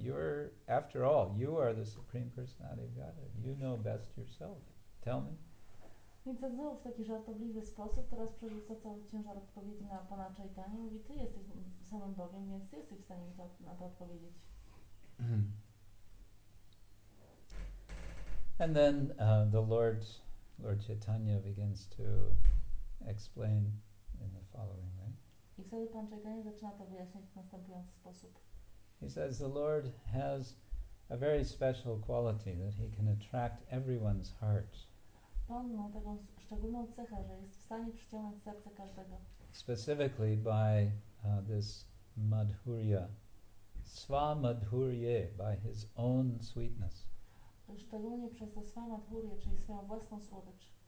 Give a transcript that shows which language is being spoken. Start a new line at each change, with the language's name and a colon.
English: You're, after all, you are the Supreme Personality of Godhead. You know best yourself. Tell me.
Polish: Więc znowu w taki żartobliwy sposób teraz przerzuca cały ciężar odpowiedzi na Pana Chaitanya i mówi, ty jesteś samym Bogiem, więc ty jesteś w stanie mi na to odpowiedzieć.
English: And then the Lord Chaitanya begins to explain in the following way.
Polish: I wtedy Pan Chaitanya zaczyna to wyjaśniać w następujący sposób.
English: He says, the Lord has a very special quality that he can attract everyone's heart.
Polish: Pan ma taką szczególną cechę, że jest w stanie przyciągnąć serce każdego.
English: Specifically by this madhurya. Sva madhurye, by his own sweetness.
Polish: Szczególnie przez to sva madhurye, czyli swoją własną słodycz.